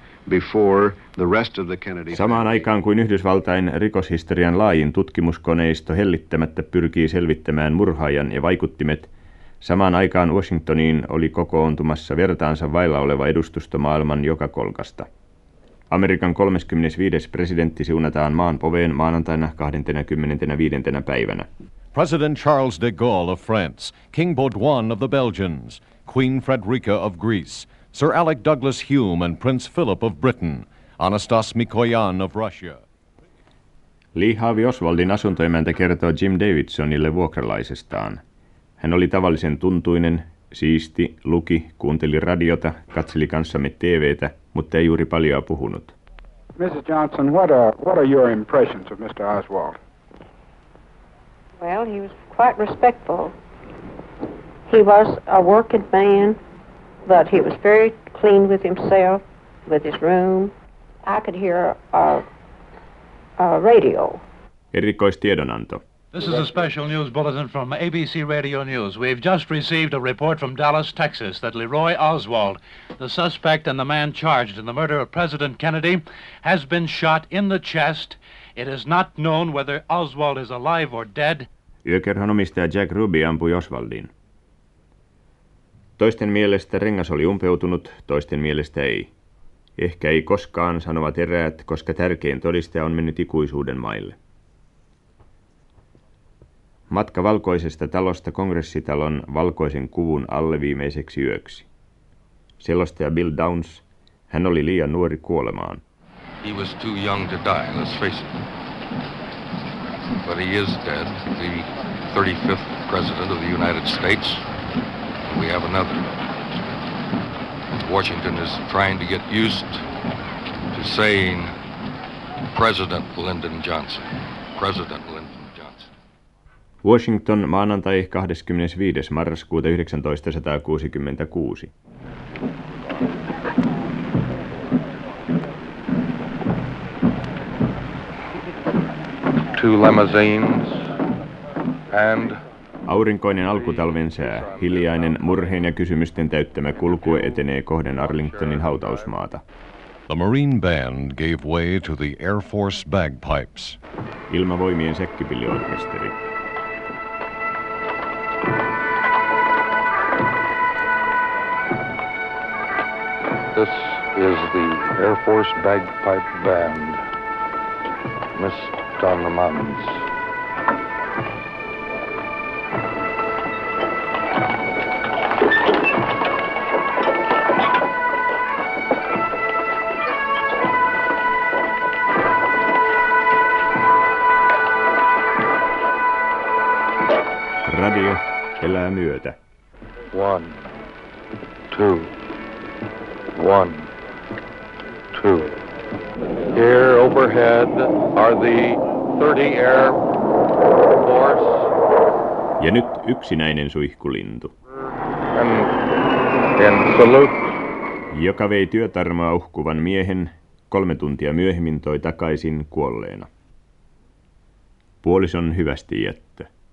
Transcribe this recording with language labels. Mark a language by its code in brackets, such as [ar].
[en] Before the rest of the Kennedy. [fi] Samaan aikaan kuin Yhdysvaltain rikoshistorian laajin tutkimuskoneisto hellittämättä pyrkii selvittämään murhaajan ja vaikuttimet, samaan aikaan Washingtoniin oli kokoontumassa vertaansa vailla oleva edustusto maailman joka kolkasta. Amerikan 35. presidentti siunataan maan poveen maanantaina 25. päivänä. [en] President Charles de Gaulle of France, King Baudouin of the Belgians, Queen Frederica of Greece, Sir Alec Douglas Hume and Prince Philip of Britain, Anastas Mikoyan of Russia. [fi] Lee Harvey Oswaldin asuntoemäntä kertoo Jim Davidsonille vuokralaisestaan. Hän oli tavallisen tuntuinen, siisti, luki, kuunteli radiota, katseli kanssamme TV:tä, mutta ei juuri paljoa puhunut. [en] Mrs. Johnson, what are your impressions of Mr. Oswald? Well, he was quite respectful. He was a working man. But he was very clean with himself, with his room. I could hear a radio. [fi] Erikoistiedonanto. [en] This is a special news bulletin from ABC Radio News. We've just received a report from Dallas, Texas, that Leroy Oswald, the suspect and the man charged in the murder of President Kennedy, has been shot in the chest. It is not known whether Oswald is alive or dead. [fi] Yökerhon omistaja Jack Ruby ampui Oswaldin. Toisten mielestä rengas oli umpeutunut, toisten mielestä ei. Ehkä ei koskaan, sanovat eräät, koska tärkein todistaja on mennyt ikuisuuden maille. Matka valkoisesta talosta kongressitalon valkoisen kuvun alle viimeiseksi yöksi. Selostaja Bill Downs, hän oli liian nuori kuolemaan. [en] He was too young to die, let's face it. But he is dead, the 35th president of the United States. We have another. Washington is trying to get used to saying President Lyndon Johnson. President Lyndon Johnson. [fi] Washington, maanantai 25. marraskuuta 1966. [en] Two limousines and... [fi] Aurinkoinen alkutalven sää, hiljainen, murheen ja kysymysten täyttämä kulku etenee kohden Arlingtonin hautausmaata. [en] The Marine Band gave way to the Air Force bagpipes. [fi] Ilmavoimien säkkipilliorkesteri. [en] This is the Air Force bagpipe band. Miss on the mountains. [fi] Radio elää myötä. [en] One, two, one, two. Here overhead are the 30 Air Force. [fi] Ja nyt yksinäinen suihkulintu. [en] And salute. [fi] Joka vei työtarmaa uhkuvan miehen, 3 tuntia myöhemmin toi takaisin kuolleena. Puolison hyvästi jättö.